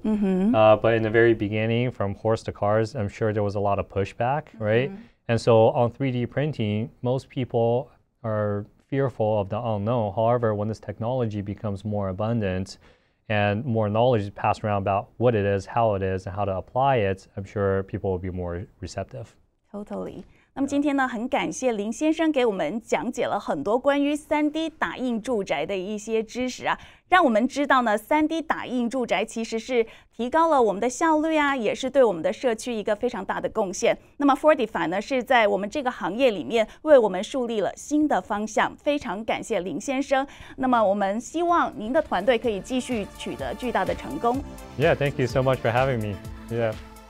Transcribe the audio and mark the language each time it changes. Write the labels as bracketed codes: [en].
[en] But in the very beginning, from horse to cars, I'm sure there was a lot of pushback, right? And so on 3D printing, most people are fearful of the unknown. However, when this technology becomes more abundant and more knowledge is passed around about what it is, and how to apply it, I'm sure people will be more receptive. Totally. [zh] 那么今天呢，很感谢林先生给我们讲解了很多关于 3D 打印住宅的一些知识啊，让我们知道呢 ，3D 打印住宅其实是提高了我们的效率啊，也是对我们的社区一个非常大的贡献。那么 Fortify 呢，是在我们这个行业里面为我们树立了新的方向。非常感谢林先生。那么我们希望您的团队可以继续取得巨大的成功。 [en] Yeah, thank you so much for having me. Yeah.